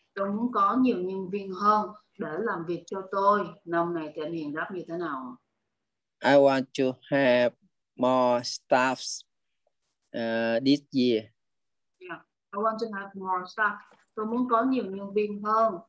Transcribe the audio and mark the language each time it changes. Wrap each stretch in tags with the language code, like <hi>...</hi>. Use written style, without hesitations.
<vi>Tôi muốn có nhiều nhân viên hơn để làm việc cho tôi năm này thì anh Hiền đáp như thế nào?</vi> <en>I want to have more staffs this year. Yeah, I want to have more staff.</en> <vi>Tôi muốn có nhiều nhân viên hơn</vi>